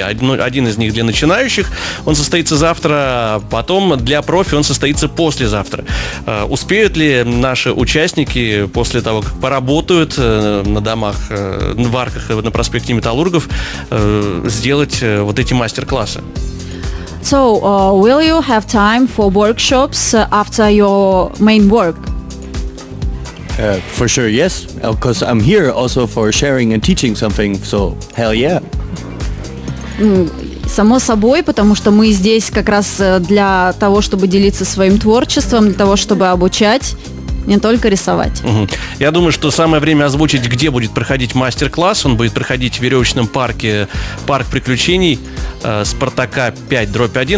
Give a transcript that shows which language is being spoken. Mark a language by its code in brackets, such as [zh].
[ru] Один из них для начинающих, он состоится завтра, потом для профи он состоится послезавтра. Успеют ли наши участники после того, как поработают на домах, в арках, на проспекте Металлургов, сделать вот эти мастер-классы? [en] So, will you have time for workshops after your main work? For sure, yes. Because I'm here also for sharing and teaching something, so hell yeah. [ru] Само собой, потому что мы здесь как раз для того, чтобы делиться своим творчеством, для того, чтобы обучать. Не только рисовать. Я думаю, что самое время озвучить, где будет проходить мастер-класс. Он будет проходить в веревочном парке, парк приключений Спартака 5/1.